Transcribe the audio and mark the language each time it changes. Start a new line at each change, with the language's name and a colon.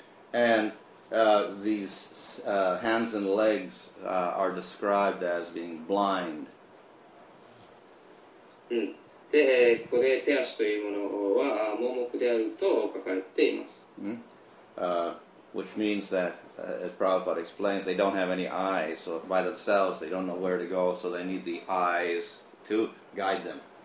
English: And these hands and legs are described as being blind.
Japanese: で、ここで手足というものは盲目であると書かれています。
English: Which means that, as Prabhupada explains, they don't have any eyes, so by themselves they don't know where to go, so they need the eyes to guide them.